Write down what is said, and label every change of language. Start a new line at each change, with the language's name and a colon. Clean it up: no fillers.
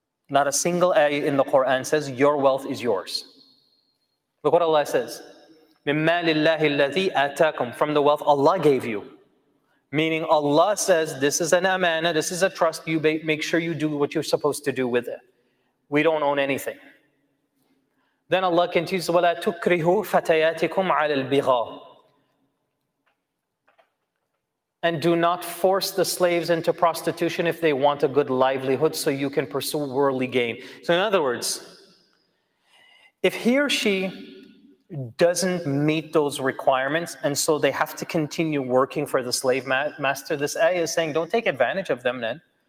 English: Not a single ayah in the Quran says, your wealth is yours. Look what Allah says.
Arabic: مِنْ مَالِ اللَّهِ الَّذِي آتَاكُمْ.
English: From the wealth Allah gave you. Meaning Allah says, this is an amana, this is a trust, you make sure you do what you're supposed to do with it. We don't own anything. Then Allah continues,
Arabic: وَلَا تُكْرِهُوا فَتَيَاتِكُمْ عَلَى الْبِغَاءِ.
English: And do not force the slaves into prostitution if they want a good livelihood so you can pursue worldly gain. So in other words, if he or she doesn't meet those requirements and so they have to continue working for the slave master, this ayah is saying, don't take advantage of them then.